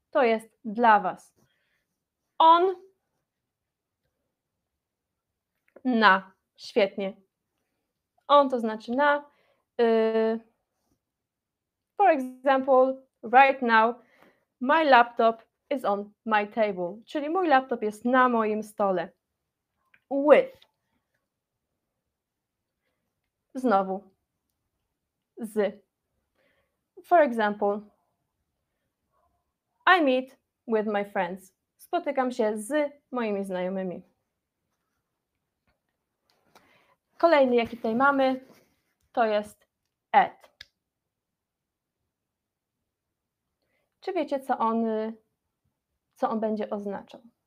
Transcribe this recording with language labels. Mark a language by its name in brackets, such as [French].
[Polish] To jest dla was. On. Na. Świetnie. On to znaczy na. [English] For example, right now, my laptop is on my table. [Polish] Czyli mój laptop jest na moim stole. [English] With. [Polish] Znowu. Z. [English] For example, I meet with my friends. [Polish] Spotykam się z moimi znajomymi. Kolejny, jaki tutaj mamy, to jest at. Czy wiecie, co on co on będzie oznaczał.